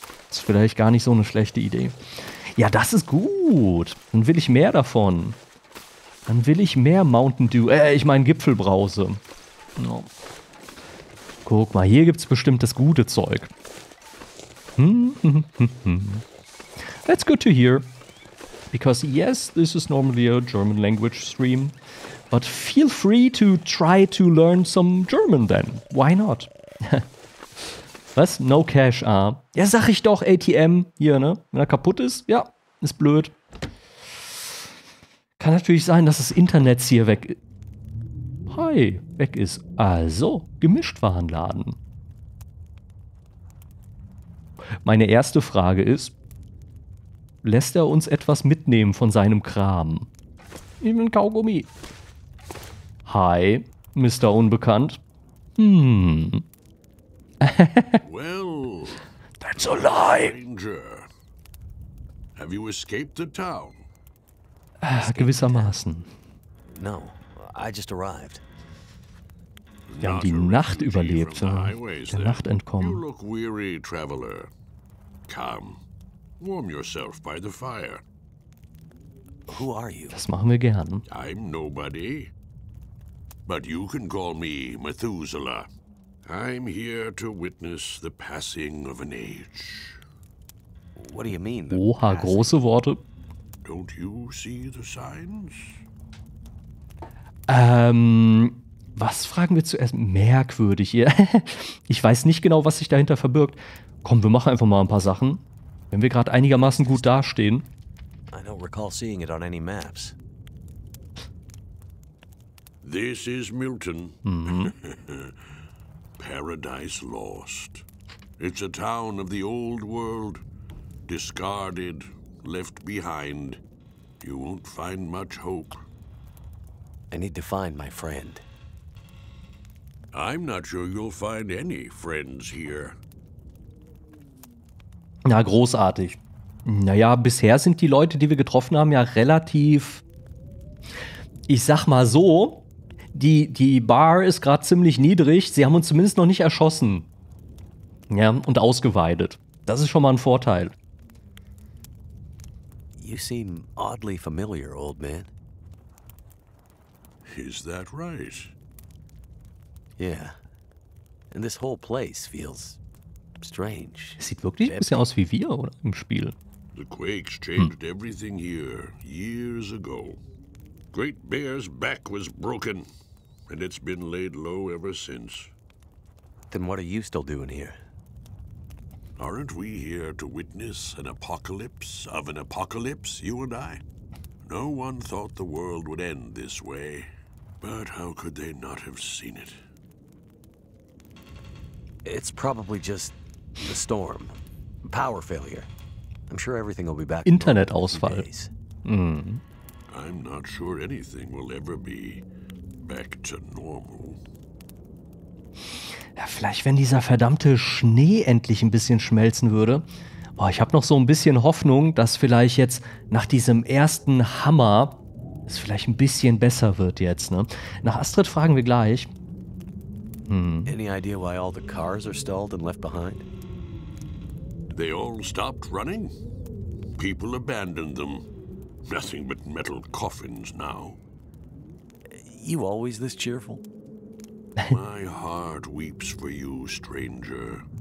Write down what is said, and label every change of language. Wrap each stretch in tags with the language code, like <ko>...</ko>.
<de>Ist vielleicht gar nicht so eine schlechte Idee. Ja, das ist gut. Dann will ich mehr davon. Dann will ich mehr Mountain Dew. Ich meine Gipfelbrause. No. Guck mal, hier gibt es bestimmt das gute Zeug.</de> <en>That's good to hear. Because yes, this is normally a German language stream. But feel free to try to learn some German then. Why not?</en> <de>Was?</de> <en>No cash, ah.</en> <de>Ja, sag ich doch, ATM hier, ne? Wenn er kaputt ist, ja, ist blöd. Kann natürlich sein, dass das Internet hier weg ist. Hi, weg ist. Also, Gemischtwarenladen. Meine erste Frage ist, lässt er uns etwas mitnehmen von seinem Kram? Ich bin Kaugummi. Hi, Mr. Unbekannt.</de> <en>Well, that's a lie. Stranger, have you escaped the town?</en> <de>Gewissermaßen.</de> <en>No, I just arrived.</en> <de>Wir haben die Nacht überlebt, der Nacht entkommen.</de> <en>You look weary, traveler. Come, warm yourself by the fire. Who are you?</en> <de>Das machen wir gern.</de> <en>I'm nobody, but you can call me Methuselah. I'm here to witness the passing of an age. What do you mean?</en> <de>Oha, große Worte.</de> <en>Don't you see the signs?</en> <de>Was fragen wir zuerst? Merkwürdig hier. Ich weiß nicht genau, was sich dahinter verbirgt. Komm, wir machen einfach mal ein paar Sachen. Wenn wir gerade einigermaßen gut dastehen.</de> <en>I don't recall seeing it on any maps. This is Milton. Paradise Lost. It's a town of the old world. Discarded, left behind. You won't find much hope. I need to find my friend. I'm not sure you'll find any friends here.</en> <de>Na, großartig. Naja, bisher sind die Leute, die wir getroffen haben, ja relativ... Ich sag mal so... Die Bar ist gerade ziemlich niedrig. Sie haben uns zumindest noch nicht erschossen. Ja, und ausgeweidet. Das ist schon mal ein Vorteil.</de> <en>You seem oddly familiar, old man. Is that right? Yeah. And this whole place feels strange.</en> <de>Es sieht wirklich ein bisschen aus wie wir, oder? Im Spiel.</de> <en>The quakes changed everything here years ago. Great Bear's back was broken. And it's been laid low ever since. Then what are you still doing here? Aren't we here to witness an apocalypse of an apocalypse, you and I? No one thought the world would end this way. But how could they not have seen it? It's probably just the storm. Power failure. I'm sure everything will be back.</en> <de>Internetausfall.</de> <en>I'm not sure anything will ever be... Back to normal.</en> <de>Ja, vielleicht wenn dieser verdammte Schnee endlich ein bisschen schmelzen würde. Boah, ich habe noch so ein bisschen Hoffnung, dass vielleicht jetzt nach diesem ersten Hammer es vielleicht ein bisschen besser wird jetzt, ne? Nach Astrid fragen wir gleich.</de> <en>Any idea why all the cars are stalled and left behind? They all stopped running. People abandoned them. Nothing but metal coffins now. You always this cheerful? My heart weeps for you, stranger.</en>